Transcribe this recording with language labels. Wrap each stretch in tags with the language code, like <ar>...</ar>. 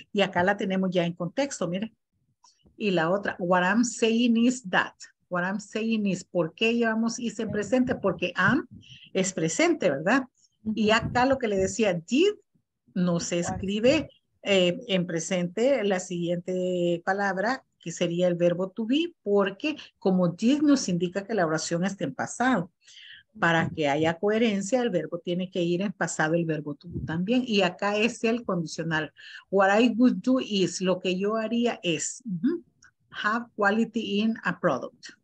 <es>Y acá la tenemos ya en contexto, mire. Y la otra,</es> <en>what I'm saying is that. What I'm saying is,</en> <es>¿por qué llevamos is en presente? Porque am es presente, ¿verdad? Y acá lo que le decía, did, no se escribe en presente la siguiente palabra, que sería el verbo to be, porque como did nos indica que la oración está en pasado. Para que haya coherencia, el verbo tiene que ir en pasado, el verbo to be también. Y acá es el condicional.</es> <en>What I would do is,</en> <es>lo que yo haría es,</es> <en>have quality in a product.</en>